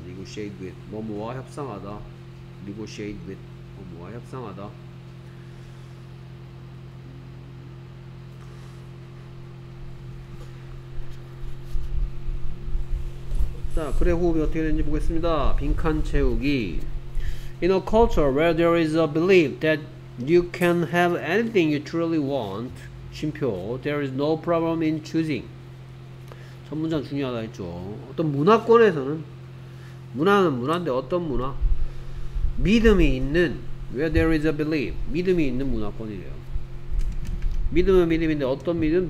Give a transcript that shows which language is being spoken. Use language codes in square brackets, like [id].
[en] negotiate with, [ko] 뭐뭐와 협상하다. negotiate with, 뭐뭐와 협상하다. 자, 글의 호흡이 어떻게 되는지 보겠습니다. 빈칸 채우기. [en] In a culture where there is a belief that you can have anything you truly want, [ko] 쉼표, [en] there is no problem in choosing. [ko] 첫 문장 중요하다 했죠. 어떤 문화권에서는, 문화는 문화인데 어떤 문화? 믿음이 있는, [en] where there is a belief, [ko] 믿음이 있는 문화권이래요. 믿음은 믿음인데 어떤 믿음?